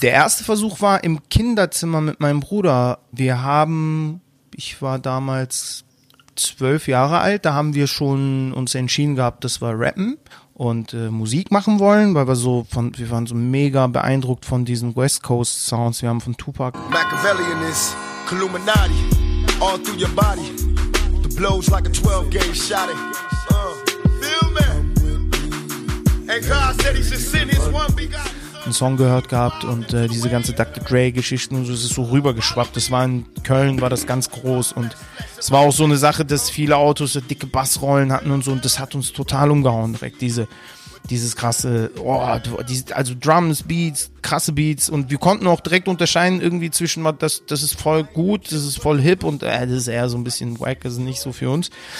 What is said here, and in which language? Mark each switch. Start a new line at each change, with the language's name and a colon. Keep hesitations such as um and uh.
German: Der erste Versuch war im Kinderzimmer mit meinem Bruder. Wir haben, ich war damals zwölf Jahre alt, da haben wir schon uns entschieden gehabt, dass wir rappen und äh, Musik machen wollen, weil wir so von, wir waren so mega beeindruckt von diesen West Coast Sounds. Wir haben von Tupac
English: Machiavellian is Illuminati all through your body. The blows like a 12 gauge shot. It. Uh, feel me? And God said he should send his one begotten.
German: einen Song gehört gehabt und äh, diese ganze Dr. Dre-Geschichten und so, es ist so rübergeschwappt. Das war in Köln, war das ganz groß und es war auch so eine Sache, dass viele Autos so dicke Bassrollen hatten und so und das hat uns total umgehauen direkt, diese, dieses krasse, oh, diese, also Drums, Beats, krasse Beats und wir konnten auch direkt unterscheiden irgendwie zwischen, was das, das ist voll gut, das ist voll hip und äh, das ist eher so ein bisschen wack, das ist nicht so für uns.